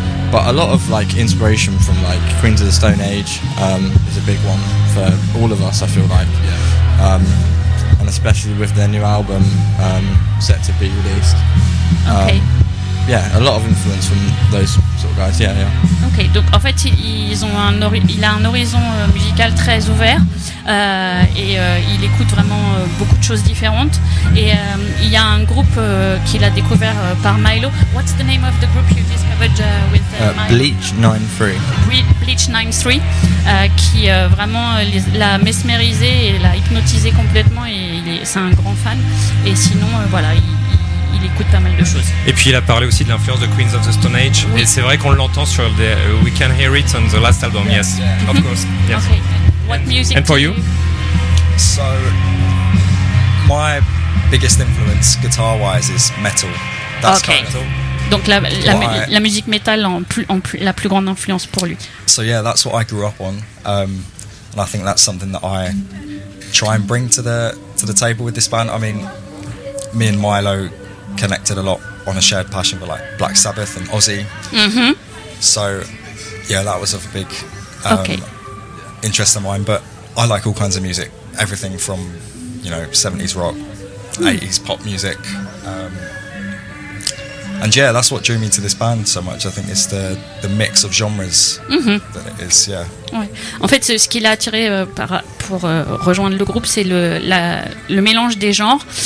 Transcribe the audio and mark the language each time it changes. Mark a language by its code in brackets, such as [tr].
[en] But a lot of like inspiration from like Queens of the Stone Age is a big one for all of us, I feel like. Yeah. And especially with their new album set to be released. Okay. Yeah, a lot of influence from those sort of guys. Yeah, yeah. [fr] Okay, donc en fait, il a un horizon musical très ouvert et il écoute vraiment beaucoup de choses différentes. Et il y a un groupe qu'il a découvert par Milo. [en] What's the name of the group you discovered with Milo? Bleach 93. [fr] Bleach 93, qui vraiment l'a mesmérisé et l'a hypnotisé complètement. Et c'est un grand fan. Et sinon, voilà. Il écoute pas mal de choses. Et puis il a parlé aussi de l'influence de Queens of the Stone Age. Oui. Et c'est vrai qu'on l'entend sur le [en] We Can Hear It on the last album. Yeah. Yes, yeah. Of course. Yes. Okay. What music? And for you? So my biggest influence guitar-wise is metal. That's okay. Kind of metal. [fr] Donc la musique métal la plus grande influence pour lui. [en] So yeah, that's what I grew up on. And I think that's something that I try and bring to the table with this band. I mean, me and Milo connected a lot on a shared passion for like Black Sabbath and Ozzy. So yeah, that was a big interest of mine. But I like all kinds of music, everything from, you know, 70s rock, 80s pop music, and yeah, that's what drew me to this band so much. I think it's the mix of genres that it is. Yeah. [fr] Ouais. En fait, ce qui l'a attiré pour rejoindre le groupe, c'est le mélange des genres.